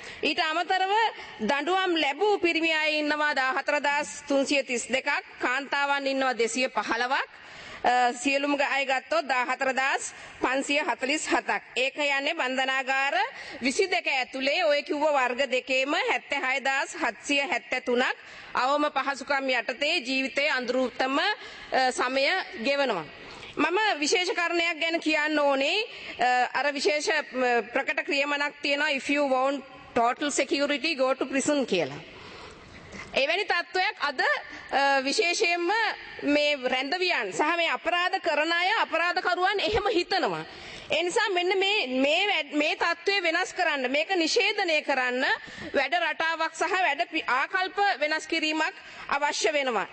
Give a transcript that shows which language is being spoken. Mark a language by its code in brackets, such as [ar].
[si] ඊට අමතරව දඬුවම් ලැබූ පිරිමි අය ඉන්නවා 14332ක්, කාන්තාවන් ඉන්නවා 215ක්, සියලුම අය ගත්තොත් 14547ක්. ඒක යන්නේ බන්ධනාගාර 22 ඇතුලේ ඔය කිව්ව වර්ග දෙකේම 76773ක් අවම පහසුකම් යටතේ ජීවිතයේ අඳුරුත්තම සමය ගෙවනවා. මම විශේෂ කරණයක් ගැන කියන්න ඕනේ. අර විශේෂ ප්‍රකට ක්‍රියමනක් තියෙනවා [en] if you want total security go to prison [si] කියලා. එවැනි තත්ත්වයක් අද විශේෂයෙන්ම මේ රැඳවියන් සහ මේ අපරාධ කරන අය අපරාධකරුවන් එහෙම හිතනවා. ඒ නිසා මෙන්න මේ මේ මේ තත්ත්වය වෙනස් කරන්න, මේක නිෂේධනය කරන්න වැඩ රටාවක් සහ වැඩ ආකල්ප වෙනස් කිරීමක් අවශ්‍ය වෙනවා.